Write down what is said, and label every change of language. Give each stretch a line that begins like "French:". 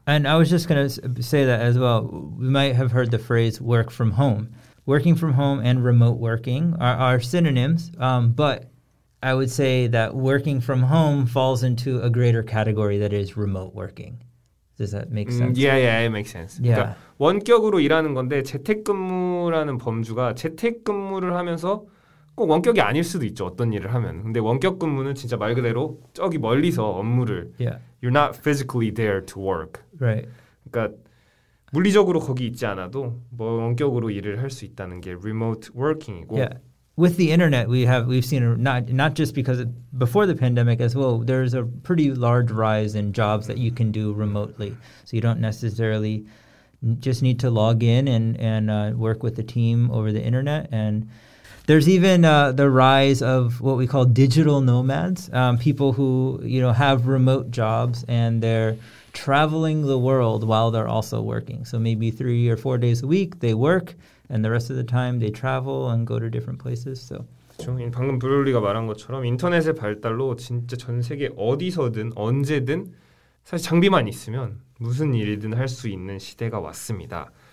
English: And I was just going to say that as well. We might have heard the phrase work from home. Working from home and remote working are synonyms, but I would say that working from home falls into a greater category that is remote working. Does that make sense? Yeah, it makes sense. Yeah.
Korean: 그러니까 원격으로 일하는 건데 재택근무라는 범주가 재택근무를 하면서 꼭 원격이 아닐 수도 있죠. 어떤 일을 하면. 근데 원격 근무는 진짜 말 그대로 저기 멀리서 업무를
English: yeah. You're not physically there to work. Right.
Korean: 그러니까 물리적으로 거기 있지 않아도 뭐 원격으로 일을 할 수 있다는 게 remote working이고
English: yeah. With the internet we've seen not just because before the pandemic as well there's a pretty large rise in jobs that you can do remotely. So you don't necessarily just need to log in and work with the team over the internet and There's even the rise of what we call digital nomads, people who, you know, have remote jobs and they're traveling the world while they're also working. So maybe 3 or 4 days a week they work and the rest of the time they travel and go to different places. So
Korean: 방금 브롤리가 말한 것처럼 인터넷의 발달로 진짜 전 세계 어디서든 언제든 사실 장비만 있으면 무슨 일이든 할 수 있는 시대가 왔습니다.